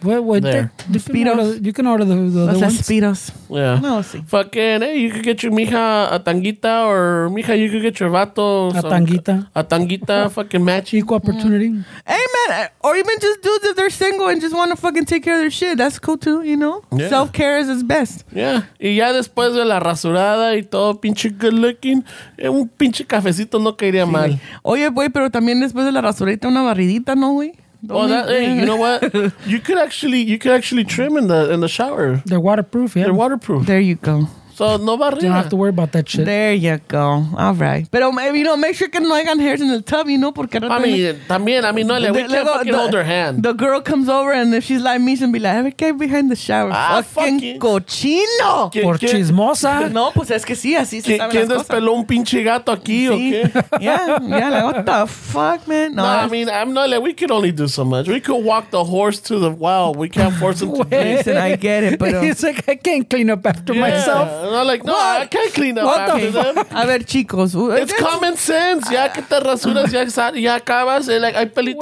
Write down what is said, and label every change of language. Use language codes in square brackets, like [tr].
[en] Wait, there. The speedos. You can order the ones. Speedos. Yeah. No, see. Fucking, hey, you could get your mija a tanguita, or mija, you could get your vato a tanguita. Fucking match. Equal opportunity. Hey, man, or even just dudes if they're single and just want to fucking take care of their shit. That's cool too, you know. Yeah. Self care is its best. [es] Yeah. Y ya después de la rasurada y todo, [en] pinche good looking, [es] un pinche cafecito no caería mal. Oye, güey, pero también después de la rasurita una barridita, ¿no, güey? [en] Oh, hey, you know what? You could actually trim in the shower. They're waterproof, yeah. They're waterproof. There you go. So no barrida. You don't have to worry about that shit. There you go. All right. [es] Pero, [en] you know, make sure [es] que no hagan [en] hairs in the tub, you know, [es] porque... [en] I mean, no, we can't fucking hold her hand. The girl comes over and if she's like me, she'll be like, I can't behind the shower. Ah, fucking cochino. [es] Por chismosa. No, pues es que sí, así se sabe las cosas. ¿Quién despeló un pinche gato aquí, sí, o qué? [en] Yeah, like, what the fuck, man? No, I mean, I'm not like, we can only do so much. We could walk the horse to the wild. We can't force him to drink. Listen, I get it, but... He's like, I can't clean up after myself. And I'm like, no, what? I can't clean up what after the them. [es] A ver, chicos. [en] It's common sense. [es] Ya que te rasuras, ya acabas. [en] Like, [es] hay pelitos.